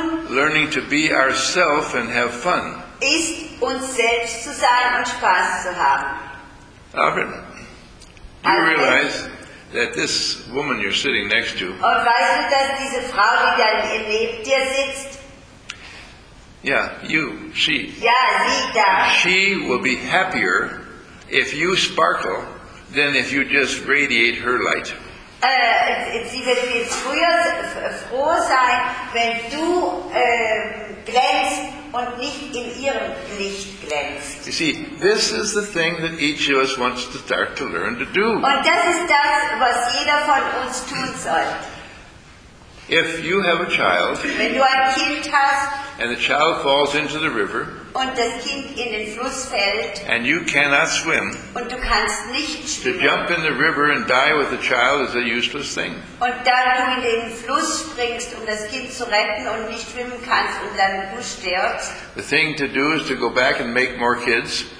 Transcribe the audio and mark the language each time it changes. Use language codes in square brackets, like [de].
[en] learning to be ourselves and have fun. [de] Ist uns selbst zu sein und Spaß zu haben. [en] Albert, do you realize that this woman you're sitting next to? [de] Und weißt du, dass diese Frau, die da neben dir sitzt? [en] Yeah, you, she. [de] Ja, sie da. [en] She will be happier if you sparkle than if you just radiate her light. [de] Sie wird viel froher sein, wenn du glänzt und nicht in ihrem Licht. [en] You see, this is the thing that each of us wants to start to learn to do. [de] Und das ist das, was jeder von uns tun soll. [en] If you have a child, [de] wenn du ein Kind hast, [en] and the child falls into the river, [de] und das Kind in den Fluss fällt, [en] and you cannot swim, [de] und du kannst nicht schwimmen, [en] to jump in the river and die with the child is a useless thing. [de] Und da du in den Fluss springst, um das Kind zu retten und nicht schwimmen kannst und dann du stirbst, [en] the thing to do is to go back and make more kids.